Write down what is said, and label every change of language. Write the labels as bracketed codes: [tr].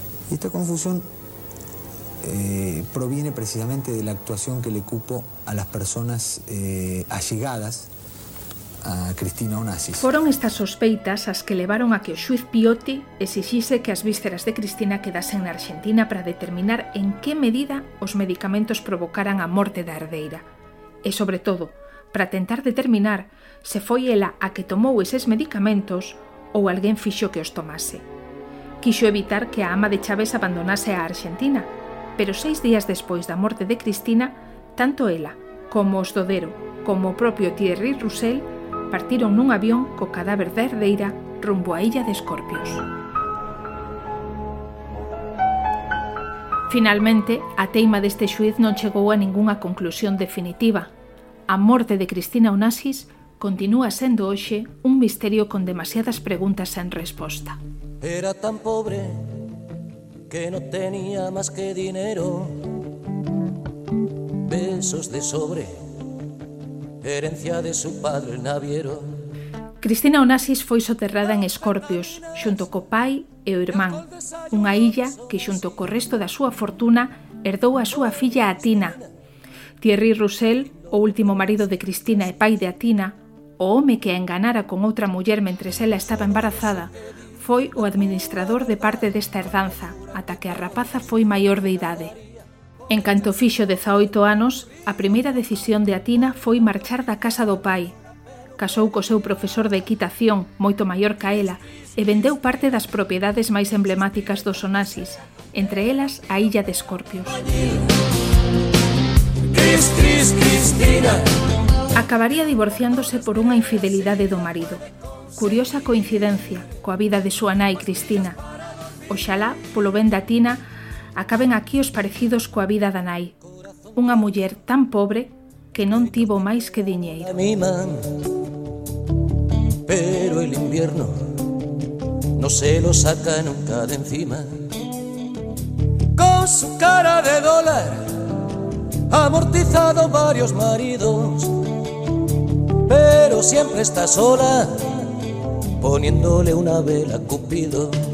[es] Y esta confusión proviene precisamente de la actuación que le cupo a las personas allegadas a Cristina Onassis. Fueron estas sospeitas las que llevaron a que o xuiz Piotti exigiese que las vísceras de Cristina quedasen en Argentina para determinar en qué medida los medicamentos provocaran [gl] a morte de Ardeira. E sobre todo, para tentar determinar se foi ela a que tomou eses medicamentos ou alguén fixo que os tomase. Quixo evitar que a ama de Chávez abandonase a Argentina, pero 6 días despois da morte de Cristina, tanto ela como os Dodero, como o propio Thierry Roussel, partiron nun avión co cadáver de Herdeira rumbo á Illa de Escorpios. Finalmente, a teima deste xuiz non chegou a ningunha conclusión definitiva. A morte de Cristina Onassis continúa sendo hoxe un misterio con demasiadas preguntas sen resposta. [es] Era tan pobre que no tenía más que dinero, besos de sobre, herencia de su padre naviero. [gl] Cristina Onassis foi soterrada en Escorpios, xunto co pai e o irmán, unha illa que xunto co resto da súa fortuna herdou a súa filla Atina. Thierry Roussel, o último marido de Cristina e pai de Atina, o home que a enganara con outra muller mentre ela estaba embarazada, foi o administrador de parte desta herdanza, ata que a rapaza foi maior de idade. En canto fixo 18 anos, a primeira decisión de Atina foi marchar da casa do pai. Casou co seu profesor de equitación, moito maior ca ela, e vendeu parte das propiedades máis emblemáticas dos Onassis, entre elas a Illa de Escorpios. Acabaría divorciándose por unha infidelidade do marido. Curiosa coincidencia coa vida de súa nai Cristina. Oxalá, polo ben da Tina, acaben aquí os parecidos coa vida da nai. Unha muller tan pobre que non tivo máis que diñeiro. [es] Pero el invierno no se lo saca nunca de encima. Con su cara de dólar ha amortizado varios maridos, pero siempre está sola poniéndole una vela a Cupido.